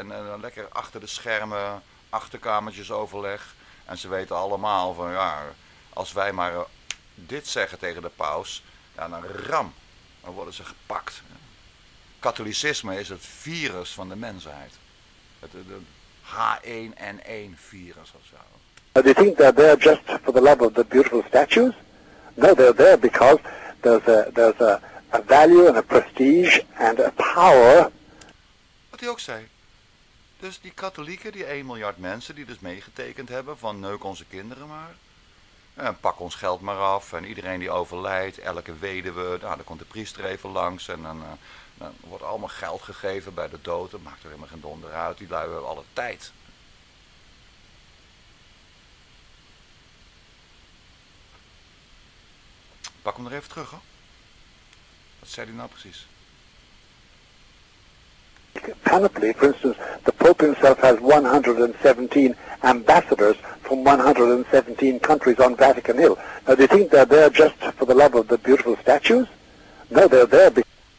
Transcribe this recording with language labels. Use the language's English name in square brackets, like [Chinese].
[Dutch] En lekker achter de schermen, achterkamertjes overleg. En ze weten allemaal van, ja, als wij maar dit zeggen tegen de paus, ja, dan ram, dan worden ze gepakt. Katholicisme is het virus van de mensheid. Het H1N1 virus of zo. [English] Do you think they're there just for the love of the beautiful statues? No, they're there because... There's a value and a prestige and a power. [Dutch] Wat hij ook zei. Dus die katholieken, die 1 miljard mensen die dus meegetekend hebben van neuk onze kinderen maar. En pak ons geld maar af en iedereen die overlijdt, elke weduwe, nou, dan komt de priester even langs. En dan wordt allemaal geld gegeven bij de dood, dat maakt er helemaal geen donder uit, die lui hebben alle tijd. Pak hem er even terug, hoor. Wat zei hij nou precies? [English] panoply. For instance, the Pope himself has 117 ambassadors from 117 countries on Vatican Hill. Now, do you think they're there just for the love of the beautiful statues? No, they're there because...